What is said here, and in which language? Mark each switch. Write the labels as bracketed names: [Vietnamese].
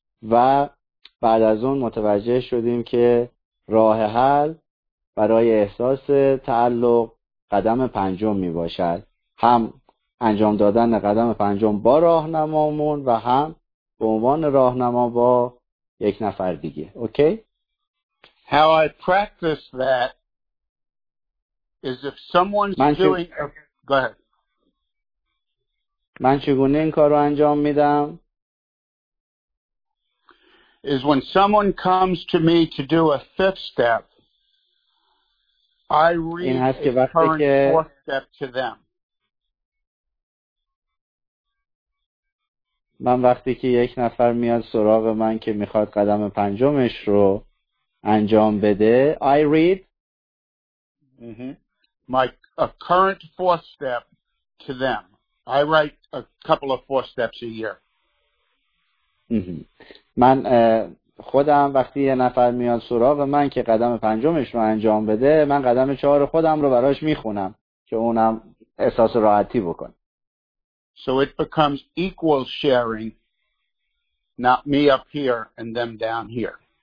[Persian] و بعد از اون متوجه شدیم که راه حل برای احساس تعلق قدم پنجم میباشد، هم انجام دادن قدم پنجم با راهنمامون و هم به عنوان راهنما با یک نفر دیگه. [English] Okay? How I practice that is if someone's doing go ahead. [Persian] من چگونه این کارو انجام میدم؟ [English] Is when someone comes to me to do a fifth step, I read the current fourth step to them. [Persian] من وقتی که یک نفر میاد سراغ من که میخواد قدم پنجمش رو انجام بده، [English] I read a current fourth step to them. I write a couple of fourth steps a year. [Persian] من خودم وقتی یه نفر میاد سراغ من که قدم پنجمش رو انجام بده، من قدم چهار خودم رو براش میخونم که اونم احساس راحتی بکنه. [English] So it becomes equal sharing not me up here and them down here.